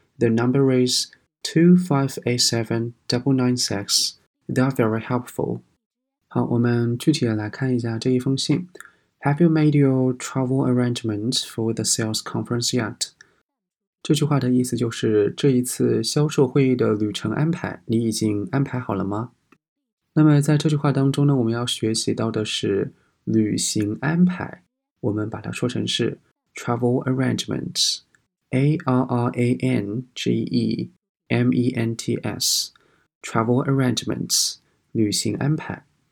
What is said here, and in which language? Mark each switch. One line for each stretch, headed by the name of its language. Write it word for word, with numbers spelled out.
English: Their number is two five eight seven double nine six. They are very helpful.
Chinese: 好，我们具体的来看一下这一封信。
English: Have you made your travel arrangements for the sales conference yet?
Chinese: 这句话的意思就是这一次销售会议的旅程安排，你已经安排好了吗？那么在这句话当中呢，我们要学习到的是旅行安排，我们把它说成是
English: travel arrangements, A R R A N G E M E N T S, travel arrangements,
Chinese: 旅行安排。